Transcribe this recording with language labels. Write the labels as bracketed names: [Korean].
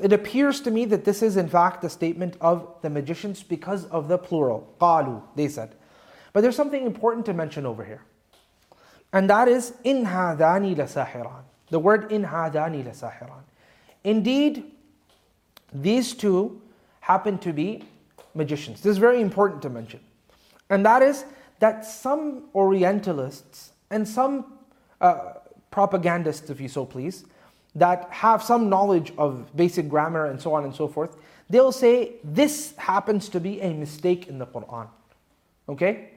[English] It appears to me that this is in fact a statement of the magicians because of the plural, قالوا, they said. But there's something important to mention over here. And that is, [Arabic] إِنْ هَذَانِ لَسَاحِرَانِ. [English] The word, [Arabic] إِنْ هَذَانِ لَسَاحِرَانِ. [English] Indeed, these two happen to be magicians. This is very important to mention. And that is that some Orientalists and some propagandists, if you so please, that have some knowledge of basic grammar and so on and so forth, they'll say this happens to be a mistake in the Quran. Okay?